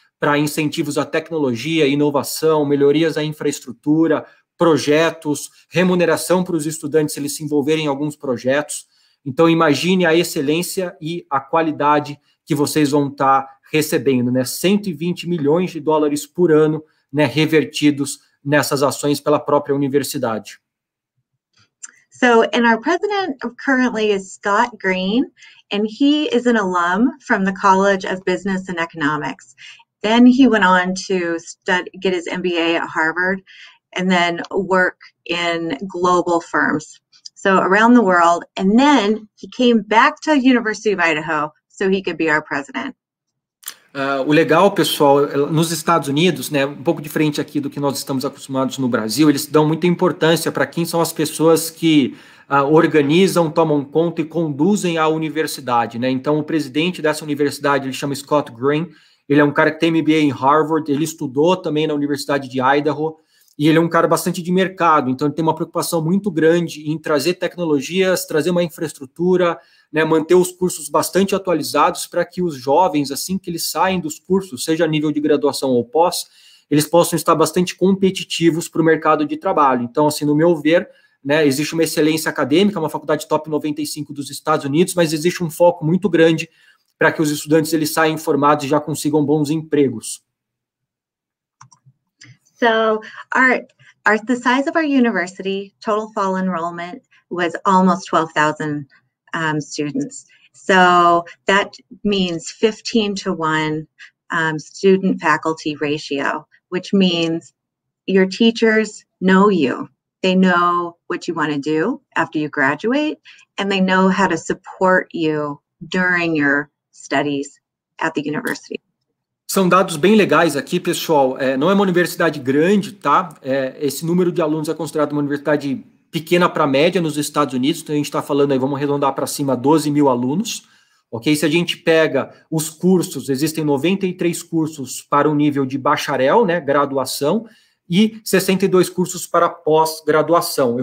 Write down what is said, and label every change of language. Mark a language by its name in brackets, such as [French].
[Portuguese] Para incentivos à tecnologia, inovação, melhorias à infraestrutura, projetos, remuneração para os estudantes se eles se envolverem em alguns projetos. Então, imagine a excelência e a qualidade que vocês vão estar recebendo, né, $120 milhões por ano, né, revertidos nessas ações pela própria universidade. [English] So, and our president currently is Scott Green, and he is an alum from the College of Business and Economics. Then he went on to get his MBA at Harvard, and then work in global firms, so around the world, and then he came back to the University of Idaho, so he could be our president. [Portuguese] O legal, pessoal, nos Estados Unidos, né, um pouco diferente aqui do que nós estamos acostumados no Brasil, eles dão muita importância para quem são as pessoas que organizam, tomam conta e conduzem a universidade, né? Então, o presidente dessa universidade, ele chama Scott Green, ele é um cara que tem MBA em Harvard, ele estudou também na Universidade de Idaho, e ele é um cara bastante de mercado, então ele tem uma preocupação muito grande em trazer tecnologias, trazer uma infraestrutura, né, manter os cursos bastante atualizados para que os jovens, assim que eles saem dos cursos, seja a nível de graduação ou pós, eles possam estar bastante competitivos para o mercado de trabalho. Então, assim, no meu ver, né, existe uma excelência acadêmica, uma faculdade top 95 dos Estados Unidos, mas existe um foco muito grande para que os estudantes eles saiam formados e já consigam bons empregos. [English] So the size of our university, total fall enrollment was almost 12,000 students. So that means 15-to-1 student-faculty ratio, which means your teachers know you. They know what you want to do after you graduate, and they know how to support you during your studies at the university. [Portuguese] São dados bem legais aqui, pessoal. É, não é uma universidade grande, tá? É, esse número de alunos é considerado uma universidade pequena para a média nos Estados Unidos. Então, a gente está falando aí, vamos arredondar para cima, 12 mil alunos. Ok? Se a gente pega os cursos, existem 93 cursos para o nível de bacharel, né, graduação, e 62 cursos para pós-graduação.